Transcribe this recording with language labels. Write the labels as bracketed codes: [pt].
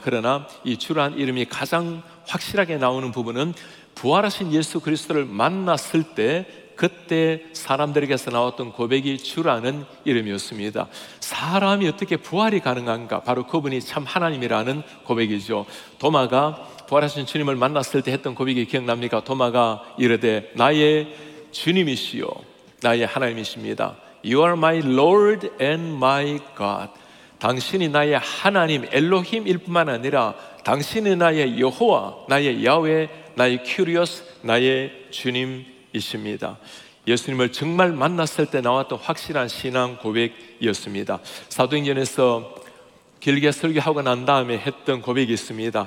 [ko] 그러나 이 주라는 이름이 가장 확실하게 나오는 부분은 부활하신 예수 그리스도를 만났을 때 그때 사람들에게서 나왔던 고백이 주라는 이름이었습니다. 사람이 어떻게 부활이 가능한가? 바로 그분이 참 하나님이라는 고백이죠. 도마가 부활하신 주님을 만났을 때 했던 고백이 기억납니까? 도마가 이르되 나의 주님이시요 나의 하나님이십니다. [en] You are my Lord and my God. [ko] 당신이 나의 하나님 엘로힘일 뿐만 아니라 당신이 나의 여호와, 나의 야훼, 나의 큐리오스, 나의 주님이십니다. 예수님을 정말 만났을 때 나왔던 확실한 신앙 고백이었습니다. 사도행전에서 길게 설교하고 난 다음에 했던 고백이 있습니다.